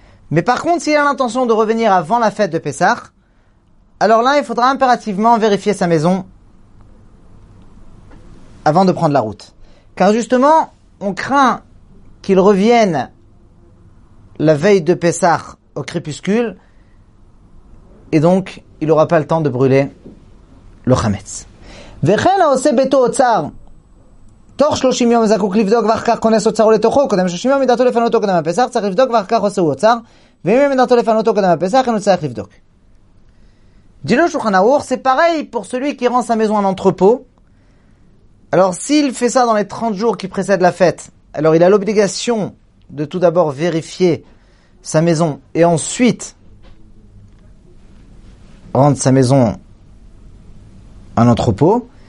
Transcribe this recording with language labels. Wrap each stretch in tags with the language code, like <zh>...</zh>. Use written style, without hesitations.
<fr>Mais par contre, s'il a l'intention de revenir avant la fête de Pessah, alors là, il faudra impérativement vérifier sa maison avant de prendre la route. Car justement, on craint qu'il revienne la veille de Pessah au crépuscule et donc il n'aura pas le temps de brûler le Hametz.</fr> <he>וכן העושה ביתו אוצר תוך 30 יום זקוק לבדוק ואחר כך כונס אוצרו לתוכו קודם 30 יום מדעתו לפנותו קודם הפסח צריך לבדוק ואחר כך עושה הוא אוצר ואם מדעתו לפנותו קודם הפסח אינו צריך לבדוק דילו שולחן ארוך</he> <fr>c'est pareil pour celui qui rend sa maison en entrepôt. Alors s'il fait ça dans les 30 jours qui précèdent la fête, alors il a l'obligation de tout d'abord vérifier sa maison et ensuite rendre sa maison un entrepôt.</fr>